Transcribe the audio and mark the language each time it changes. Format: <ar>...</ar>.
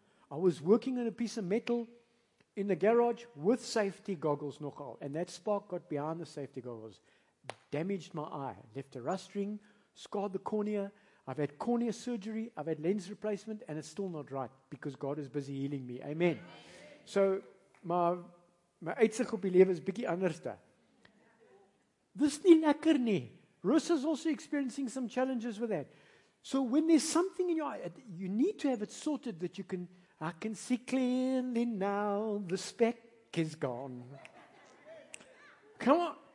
<en>I was working on a piece of metal in the garage with safety goggles, nogal, and that spark got behind the safety goggles, damaged my eye, left a rust ring, scarred the cornea. I've had cornea surgery, I've had lens replacement, and it's still not right because God is busy healing me. Amen.</en> <af>So my uitsig op die lewe is bietjie anderste. Dis nie lekker nie.</af> <en>Rus is also experiencing some challenges with that. So when there's something in your eye, you need to have it sorted that you can, I can see clearly now, the speck is gone. Come on.</en>